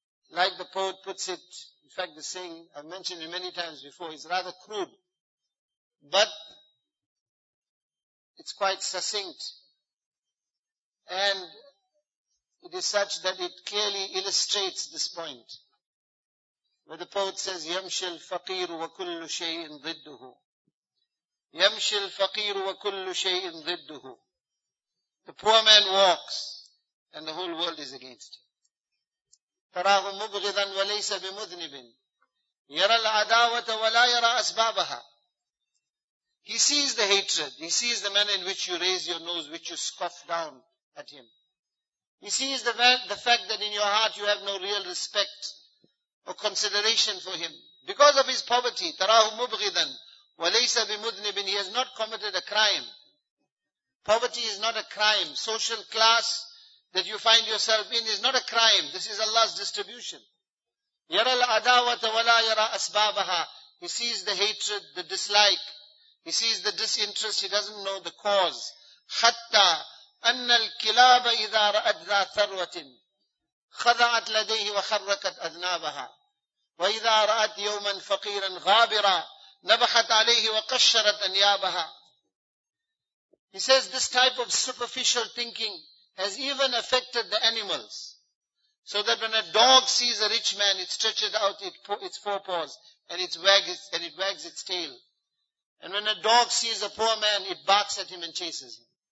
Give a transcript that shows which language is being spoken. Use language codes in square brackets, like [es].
[en] Like the poet puts it, in fact the saying I've mentioned it many times before, is rather crude, but it's quite succinct, and it is such that it clearly illustrates this point. Where the poet says, [ar] يَمْشِ الْفَقِيرُ وَكُلُّ شَيْءٍ ضِدُّهُ يَمْشِ الْفَقِيرُ وَكُلُّ شَيْءٍ ضِدُّهُ. [en] The poor man walks, and the whole world is against him. [ar] تَرَاهُ مُبْغِضًا وَلَيْسَ بِمُذْنِبٍ يَرَى الْعَدَاوَةَ وَلَا يَرَى أَسْبَابَهَا. [en] He sees the hatred. He sees the manner in which you raise your nose, which you scoff down at him. He sees the fact that in your heart you have no real respect or consideration for him. Because of his poverty, [ar] تَرَاهُ مُبْغِذًا وَلَيْسَ بِمُذْنِبٍ. [en] He has not committed a crime. Poverty is not a crime. Social class that you find yourself in is not a crime. This is Allah's distribution. [ar] يَرَى الْعَدَاوَةَ وَلَا يَرَى أَسْبَابَهَا. [en] He sees the hatred, the dislike. He sees the disinterest. He doesn't know the cause. [ar] حَتَّى أَنَّ الْكِلَابَ إِذَا رَأَتْ ذَا ثَرْوَةٍ خضعت لديه وحركت أذنابها وإذا رأت يوما فقيرا غابرا نبحت عليه وقشرت أنيابها. [en] He says this type of superficial thinking has even affected the animals. So that when a dog sees a rich man, it stretches out its forepaws and it wags its tail. And when a dog sees a poor man, it barks at him and chases him.